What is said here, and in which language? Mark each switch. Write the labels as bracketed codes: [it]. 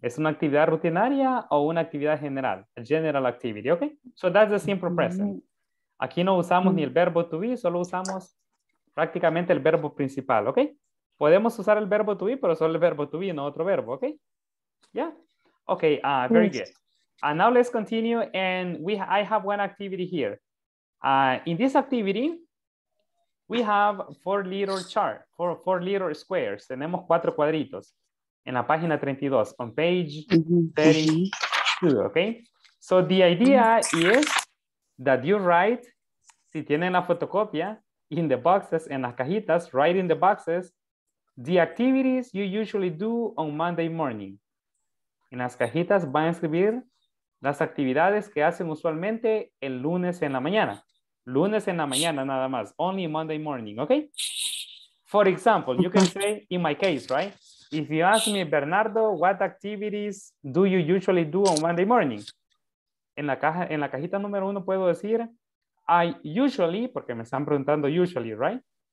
[es] ¿Es una actividad rutinaria o una actividad general? [en] A general activity, okay? So that's the simple present. [es] Aquí no usamos ni el verbo to be, solo usamos prácticamente el verbo principal, okay? Podemos usar el verbo to be, pero solo el verbo to be, no otro verbo, okay? [en] Yeah? Okay, very good. And now let's continue, and I have one activity here. In this activity, we have four little squares. [es] Tenemos cuatro cuadritos en la página 32, [en] on page 32, [es] okay? [en] So the idea is that you write, [es] si tienen la fotocopia, [en] in the boxes, [es] en las cajitas, [en] write in the boxes, the activities you usually do on Monday morning. [es] En las cajitas van a escribir las actividades que hacen usualmente el lunes en la mañana. Lunes en la mañana, nada más. [en] Only Monday morning, [es] okay? [en] For example, you can say, in my case, right? If you ask me, Bernardo, what activities do you usually do on Monday morning? [es] En la cajita número uno puedo decir, [en] I usually, [es] porque me están preguntando usually, right?